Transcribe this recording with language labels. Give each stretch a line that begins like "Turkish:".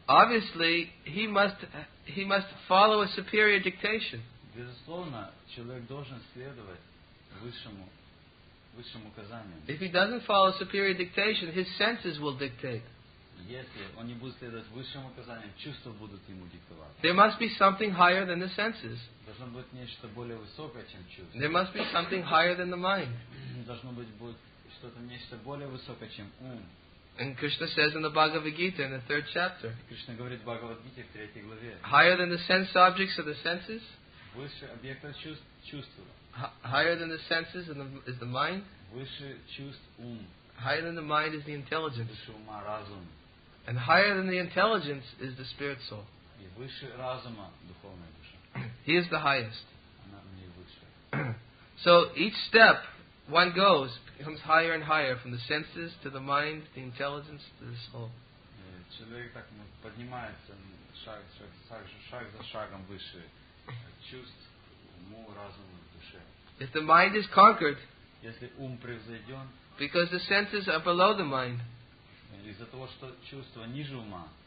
English: Obviously, he must follow a superior dictation.
Russian: Безусловно, человек должен следовать высшим указаниям.
English: If he doesn't follow superior dictation, his senses will dictate.
Russian: Если он не будет следовать высшим указаниям, чувства будут ему диктовать.
English: There must be something higher than the senses.
Russian: Должно быть нечто более высокое, чем чувства.
English: There must be something higher than the mind.
Russian: Должно быть что-то нечто более высокое, чем ум.
English: And Krishna says in the Bhagavad Gita in the third chapter.
Russian: Кришна говорит в Бхагавад Гите в третьей главе.
English: Higher than the sense objects of the senses.
Russian: Выше объектов чувств.
English: Higher than the senses is the mind.
Russian: Выше чувств ум.
English: Higher than the mind is the intelligence.
Russian: Выше ума разум.
English: And higher than the intelligence is the spirit soul.
Russian: И выше разума духовная душа.
English: He is the highest.
Russian: Она наивысшая.
English: So each step one goes becomes higher and higher from the senses to the mind, the intelligence to the soul.
Russian: Человек так поднимается шаг за шагом выше чувств, уму, разуму.
English: If the mind is conquered,
Russian: если ум превзойден,
English: because the senses are below the mind,
Russian: из-за того, что чувства ниже ума,